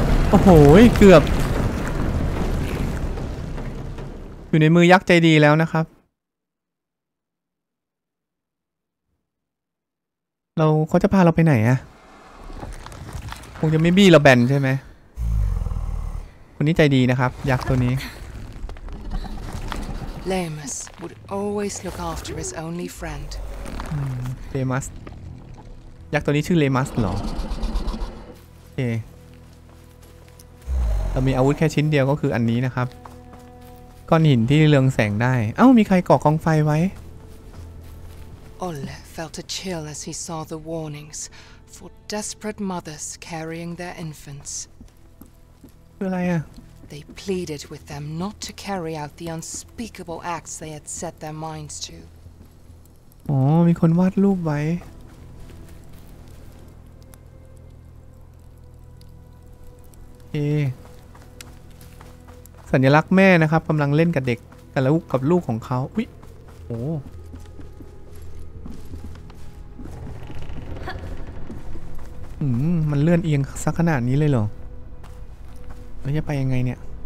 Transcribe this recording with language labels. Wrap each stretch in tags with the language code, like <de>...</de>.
<th>โอ้โหเกือบอยู่ในมือยักษ์ใจดีแล้วนะครับเราเขาจะพาเราไปไหนอ่ะคงจะไม่บี้เราแบนใช่ไหมคนนี้ใจดีนะครับยักษ์ตัวนี้</th> <en>Lamas would always look after his only friend</en> <th>Lamas ยักษ์ตัวนี้ชื่อ Lamas เหรอโอเคเรามีอาวุธแค่ชิ้นเดียวก็คืออันนี้นะครับก้อนหินที่เรืองแสงได้เอ้ามีใครก่อกองไฟไว้</th> <en>Olle felt a chill as he saw the warnings for desperate mothers carrying their infants</en> <th>คืออะไรอ่ะ</th> <en>They pleaded with them not to carry out the unspeakable acts they had set their minds to</en> <th>โอ้มีคนวาดรูปไว้สัญลักษณ์แม่นะครับกำลังเล่นกับเด็กกับลูกของเขาอุ๊ยโหมันเลื่อนเอียงสักขนาดนี้เลยเหรอแล้วจะไปยังไงเนี่ย</th>